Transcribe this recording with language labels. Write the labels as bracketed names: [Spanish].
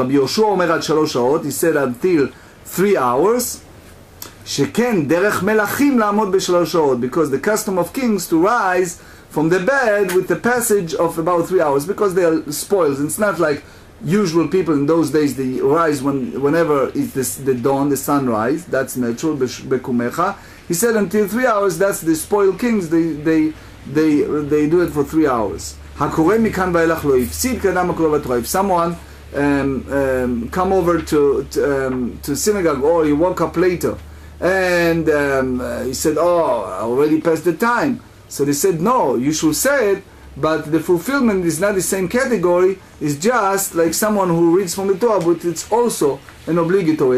[Hebrew] רבי יהושע אומר עד 3 שעות, [English] he said until 3 hours, [Hebrew] שכן דרך מלאכים לעמוד ב3 שעות, [English] because the custom of kings to rise from the bed with the passage of about 3 hours, because they are spoils. It's not like usual people in those days, they rise whenever it's the dawn, the sunrise, that's natural, בקומך. He said, until 3 hours, that's the spoiled kings, they do it for 3 hours. [Hebrew] הקורא מכאן ואילך לא יפסיד כאדם הקורא בתורה. [English] If someone come over to synagogue, or he woke up later, and he said, oh, I already passed the time. So they said, no, you should say it, But the fulfillment is not the same category. It's just like someone who reads from the Torah, but it's also an obligatory.